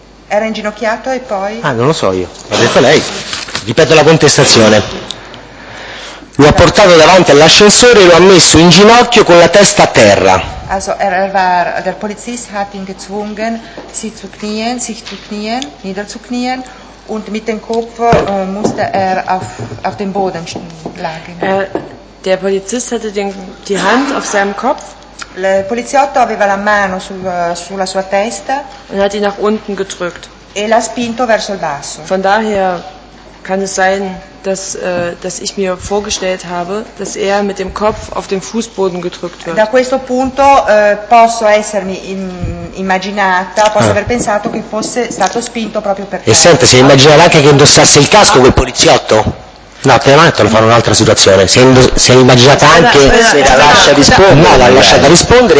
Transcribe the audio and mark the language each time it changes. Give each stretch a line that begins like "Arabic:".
Italian: Era inginocchiato e poi... Ah, non lo so io, l'ha detto lei. Ripeto la contestazione. Lo ha portato davanti all'ascensore e lo ha messo in ginocchio con la testa a terra.
German: Also der Polizist hat ihn gezwungen, sich zu knien, niederzuknien, und mit dem Kopf musste er auf dem Boden lagen. Der Polizist hatte die Hand auf seinem Kopf.
Italian: Il poliziotto aveva la mano sulla sua testa.
German: Und hat ihn nach unten gedrückt.
Italian: E l'ha spinto verso il basso.
German: Von daher kann es sein, dass ich mir vorgestellt habe, dass er mit dem Kopf auf den Fußboden gedrückt wird.
Italian: Da questo punto posso essermi immaginata, posso aver pensato che fosse stato spinto proprio per terra. E senta, si immaginava anche che indossasse il casco quel poliziotto? No, te l'ho detto, lo farò un'altra situazione. Si è immaginata anche l'ha lasciata rispondere